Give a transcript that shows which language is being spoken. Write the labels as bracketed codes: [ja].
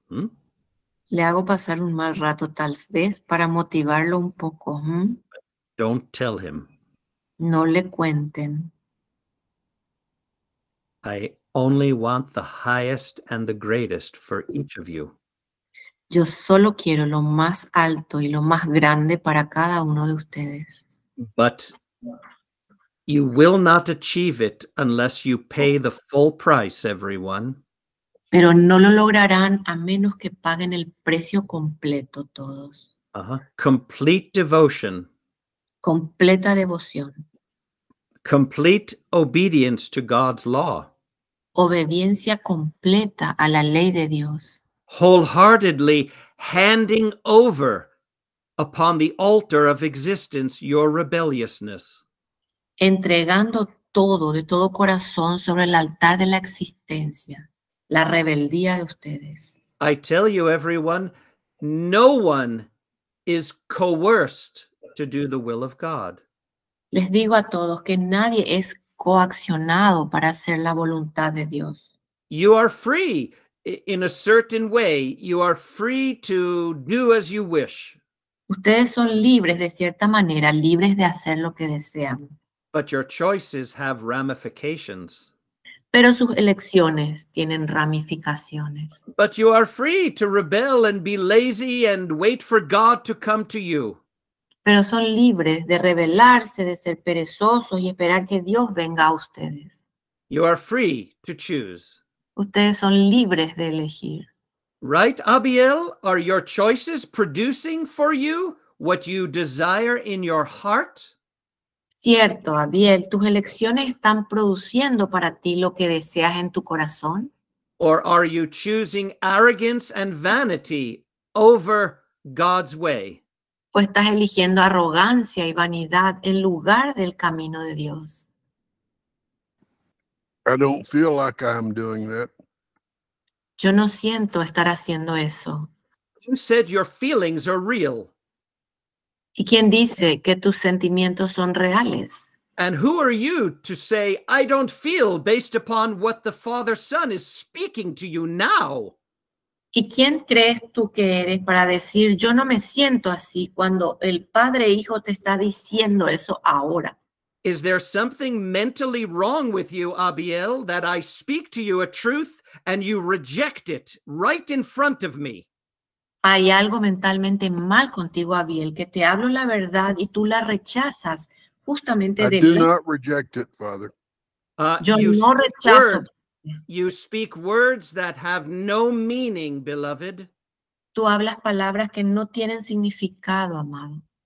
[es] Le hago pasar un mal rato tal vez para motivarlo un poco. [en] Don't tell him. [es] No le cuenten. [en] I only want the highest and the greatest for each of you. [es] Yo solo quiero lo más alto y lo más grande para cada uno de ustedes. [en] But you will not achieve it unless you pay the full price, everyone. [es] Pero no lo lograrán a menos que paguen el precio completo todos. [en] Complete devotion. [es] Completa devoción. [en] Complete obedience to God's law. [es] Obediencia completa a la ley de Dios. [en] Wholeheartedly handing over upon the altar of existence your rebelliousness. [es] Entregando todo, de todo corazón, sobre el altar de la existencia, la rebeldía de ustedes. [en] I tell you, everyone, no one is coerced to do the will of God. [es] Les digo a todos que nadie es coaccionado para hacer la voluntad de Dios. [en] You are free in a certain way. You are free to do as you wish. [es] Ustedes son libres de cierta manera, libres de hacer lo que desean. [en] But your choices have ramifications. [es] Pero sus elecciones tienen ramificaciones. [en] But you are free to rebel and be lazy and wait for God to come to you. [es] Pero son libres de rebelarse, de ser perezosos y esperar que Dios venga a ustedes. [en] You are free to choose. [es] Ustedes son libres de elegir. [en] Right, Abiel? Are your choices producing for you what you desire in your heart? [es] Cierto, Abiel, ¿tus elecciones están produciendo para ti lo que deseas en tu corazón? [en] Or are you choosing arrogance and vanity over God's way? [es] ¿O estás eligiendo arrogancia y vanidad en lugar del camino de Dios? [en] I don't feel like I'm doing that. [es] Yo no siento estar haciendo eso. [en] You said your feelings are real. [es] ¿Y quién dice que tus sentimientos son reales? [en] And who are you to say I don't feel based upon what the Father-Son is speaking to you now? [es] ¿Y quién crees tú que eres para decir yo no me siento así cuando el Padre e Hijo te está diciendo eso ahora? [en] Is there something mentally wrong with you, Abiel, that I speak to you a truth and you reject it right in front of me? [es] ¿Hay algo mentalmente mal contigo, Abiel, que te hablo la verdad y tú la rechazas justamente [en] I [es] de mí? [en] I do not reject it, Father. [es] Yo no rechazo. [en] Word. You speak words that have no meaning, beloved. [es] Tú hablas palabras que no tienen significado, amado.